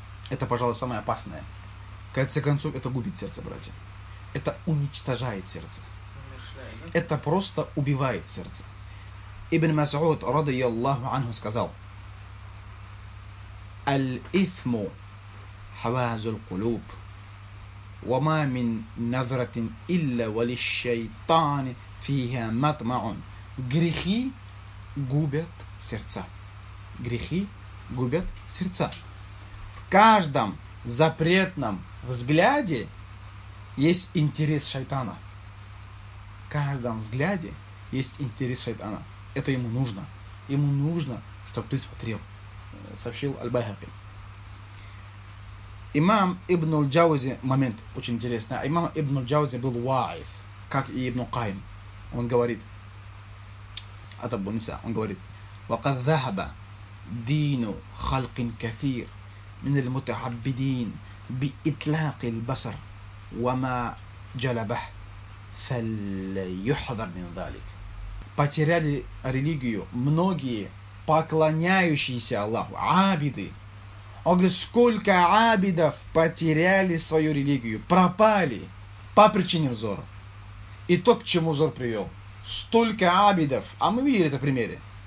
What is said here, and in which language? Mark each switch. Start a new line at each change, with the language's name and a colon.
Russian: Это, пожалуй, самое опасное. В конце концов, это губит сердце, братья. Это уничтожает сердце. Это просто убивает сердце. Ибн Мас'уд, радийаллаху анху, сказал.
Arabic: Аль-Ифму хавазуль кулуб. وَمَا مِن نَذْرَةٍ إِلَّا وَلِلشَّيْطَانِ فِيهَا مَطْمَعٌ.
Russian: Грехи губят сердца. Грехи губят сердца. В каждом запретном взгляде есть интерес шайтана. В каждом взгляде есть интерес шайтана. Это ему нужно. Ему нужно, чтобы ты смотрел, сообщил Аль-Байхаки. Имам Ибн Аль-Джаузи, момент очень интересный, имам Ибн Аль-Джаузи был ва'из, как и Ибн Каим. Он говорит, от Абу Ниса, он говорит,
Arabic: وَقَدْ ذَهَبَ دِينُ خَلْقٍ كَثِيرٍ مِنَ الْمُتَعَبِّدِينَ بِإِطْلَاقِ الْبَصَرِ وَمَا جَلَبَهُ فَلْيُحْذَرْ مِنْ ذَلِكَ.
Russian: Потеряли религию многие поклоняющиеся Аллаху, абиды. Он говорит, сколько абидов потеряли свою религию, пропали по причине взоров. И то, к чему взор привел. Столько абидов, а мы видели это в примере.